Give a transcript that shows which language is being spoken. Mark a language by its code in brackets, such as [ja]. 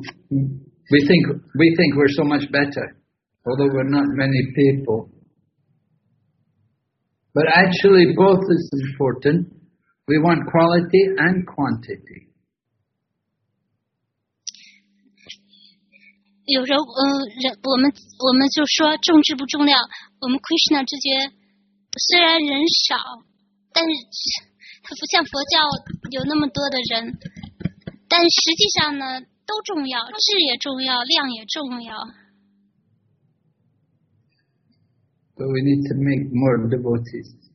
[en] we think we're so much better, although we're not many people. But actually, both is important. We want quality and quantity. [zh] 有时候我们就说重质不重量，我们 Krishna 这些虽然人少，但是它不像佛教有那么多的人，但实际上呢都重要，质也重要，量也重要。 [en] But we need to make more devotees.